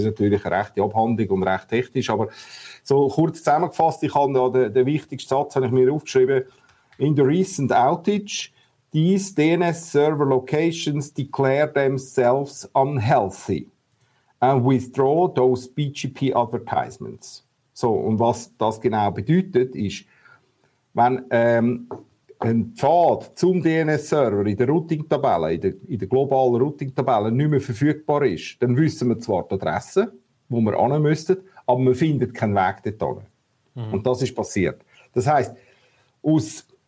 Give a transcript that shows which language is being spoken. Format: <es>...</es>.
<de>Das ist natürlich eine rechte Abhandlung und recht technisch, aber so kurz zusammengefasst, ich habe den wichtigsten Satz habe ich mir aufgeschrieben.</de> <en>In the recent outage, these DNS server locations declare themselves unhealthy and withdraw those BGP advertisements.</en> <de>So, und was das genau bedeutet, ist, wenn ein Pfad zum DNS-Server in der Routing-Tabelle, in der globalen Routing-Tabelle nicht mehr verfügbar ist, dann wissen wir zwar die Adresse, wo wir hin müssen, aber man findet keinen Weg dorthin. Mhm. Und das ist passiert. Das heisst, aus</de>